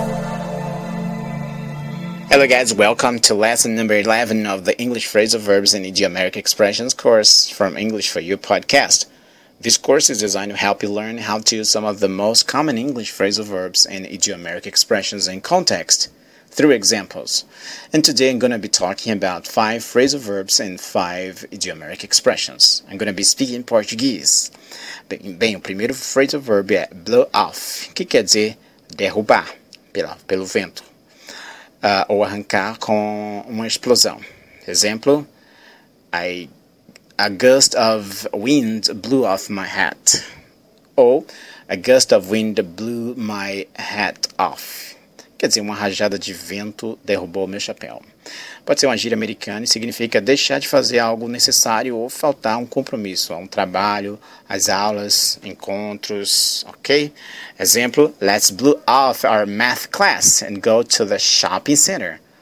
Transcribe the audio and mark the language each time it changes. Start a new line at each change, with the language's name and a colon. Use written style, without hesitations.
English: Hello guys, welcome to lesson number 11 of the English Phrasal Verbs and Idiomatic Expressions course from English for You podcast. This course is designed to help you learn how to use some of the most common English phrasal verbs and idiomatic expressions in context through examples. And today I'm going to be talking about 5 phrasal verbs and 5 idiomatic expressions. I'm going to be speaking Portuguese.
Portuguese: Bem, o primeiro phrasal verb é blow off, que quer dizer derrubar pelo vento. Ou arrancar com uma explosão. Exemplo,
English: a gust of wind blew off my hat. Ou, a gust of wind blew my hat off.
Portuguese: Quer dizer, uma rajada de vento derrubou meu chapéu. Pode ser uma gíria americana e significa deixar de fazer algo necessário ou faltar um compromisso, um trabalho, as aulas, encontros, ok?
English: Exemplo, let's blow off our math class and go to the shopping center.